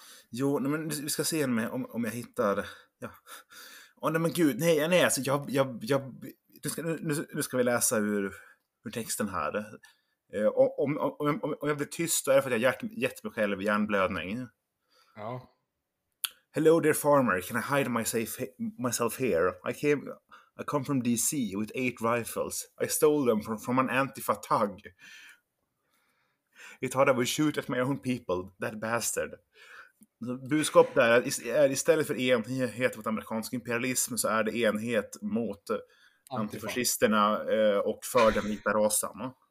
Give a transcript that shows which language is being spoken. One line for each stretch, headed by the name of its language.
Swedish: Jo, nej, men vi ska se om jag hittar. Ja. Oh, nej, men gud, nej alltså, jag nu ska vi läsa ur texten här. Om jag blir tyst, då är det för att jag har gett mig själv hjärnblödning. Ja.
English: Hello dear farmer, can I hide myself here? I come from DC with 8 rifles. I stole them from an antifa thug. He thought I would shoot at my own people, that bastard.
Swedish: Budskap där är istället för enhet mot amerikansk imperialism så är det enhet mot antifascisterna och för den vita rasen.